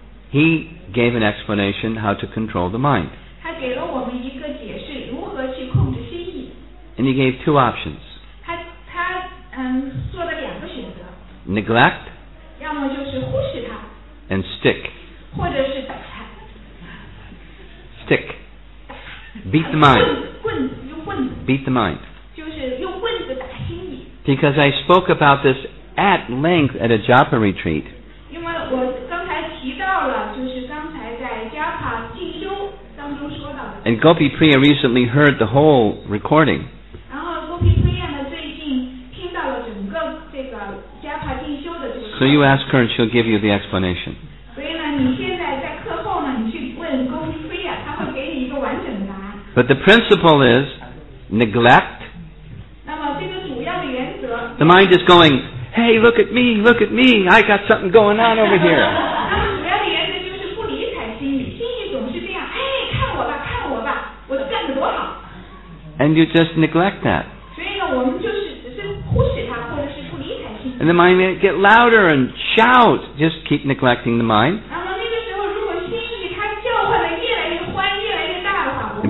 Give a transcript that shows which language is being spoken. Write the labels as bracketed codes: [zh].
[en] He gave an explanation how to control the mind. [zh] 他给了我们一个解释，如何去控制心意。 [en] And he gave two options. [zh] 他做了两个选择。 [en] Neglect. [zh] 要么就是忽视他。 [en] And stick. [zh] 或者是打他。 [en] Stick. Beat the mind. [zh] 棍用棍子。 [en] Beat the mind. [zh] 就是用棍子打心意。 [en] Because I spoke about this at length at a Japa retreat. [zh] 因为我刚才提到了，就是刚才在Japa进修当中说到的。 [en] And Gopi Priya recently heard the whole recording. [zh] 然后 Gopi Priya 呢，最近听到了整个这个Japa进修的这个。 [en] So you ask her, and she'll give you the explanation. [zh] 所以呢，你现在在课后呢，你去问 Gopi Priya， 他会给你一个完整的答案。 [en] But the principle is neglect. The mind is going, hey, look at me, look at me. I got something going on over here. [zh] 那么主要的原则就是不理睬心意，心意总是这样，哎，看我吧，看我吧，我干得多好。 [en] And you just neglect that. [zh] 所以呢，我们就是只是忽视它，或者是不理睬心意。 [en] And the mind may get louder and shout. Just keep neglecting the mind. [zh] 那么那个时候，如果心意它叫唤的越来越欢，越来越大的话，我们。